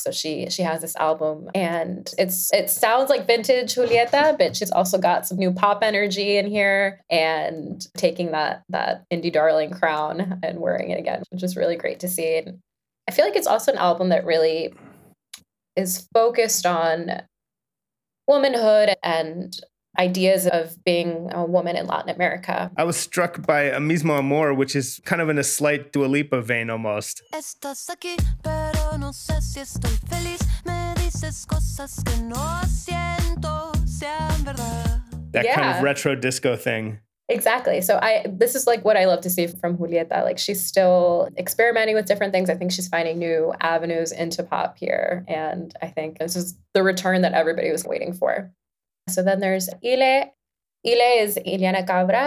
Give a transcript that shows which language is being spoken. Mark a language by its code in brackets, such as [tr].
[en] So she has this album, and it sounds like vintage Julieta, but she's also got some new pop energy in here and taking that indie darling crown and wearing it again, which is really great to see. And I feel like it's also an album that really is focused on womanhood and ideas of being a woman in Latin America. I was struck by A Mismo Amor, which is kind of in a slight Dua Lipa vein almost. [es] Estás aquí, pero no sé si estoy feliz. Me dices cosas que no siento sean verdad. [en] That kind of retro disco thing. Exactly. So this is like what I love to see from Julieta. Like, she's still experimenting with different things. I think she's finding new avenues into pop here. And I think this is the return that everybody was waiting for. So then there's Ile. Ile is Ileana Cabra.